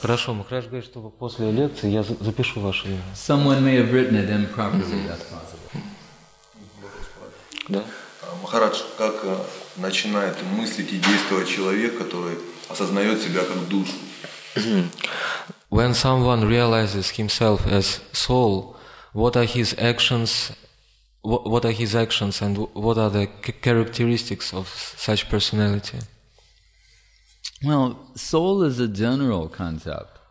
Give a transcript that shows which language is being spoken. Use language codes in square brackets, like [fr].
[ru] Хорошо, Махарадж говорит, что после лекции я запишу ваше имя. [en] Someone may have written it improperly, that's possible. [ru] Да. Махарадж, как начинает мыслить и действовать человек, который осознает себя как душу? [en] When someone realizes himself as soul, what are his actions and what are the characteristics of such personality? Well, soul is a general concept.